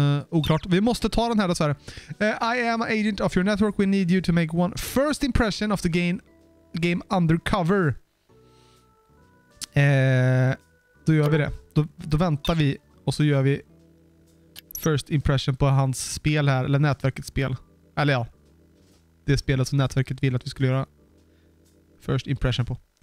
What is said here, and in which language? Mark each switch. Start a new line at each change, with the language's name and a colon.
Swedish: Oklart. Vi måste ta den här dessvärre.
English: I am an agent of your network. We need you to make one first impression of the game undercover.
Swedish: Då gör vi det. Då väntar vi och så gör vi first impression på hans spel här. Eller nätverkets spel. Eller ja. Det spelet som nätverket vill att vi skulle göra first impression på.